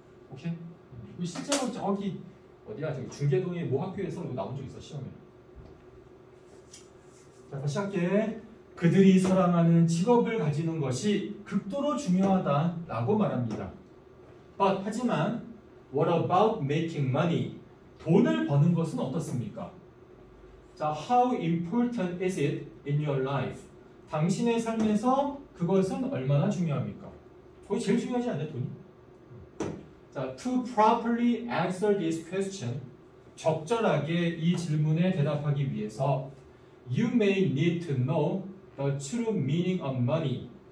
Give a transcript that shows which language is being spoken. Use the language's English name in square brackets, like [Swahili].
[Korean] 오케이? 실제로 저기 어디야? 저기 중계동의 모 학교에서 이거 나온 적 있어, 시험에. 자, 다시 할게. 그들이 사랑하는 직업을 가지는 것이 극도로 중요하다라고 말합니다. [English] But, 하지만 what about making money? [Korean] 돈을 버는 것은 어떻습니까? [English] 자, how important is it in your life? [Korean] 당신의 삶에서 그것은 얼마나 중요합니까? 거의 제일 중요하지 않나요, 돈이? [English] 자, to properly answer this question, [Korean] 적절하게 이 질문에 대답하기 위해서 [English] you may need to know the true meaning of money.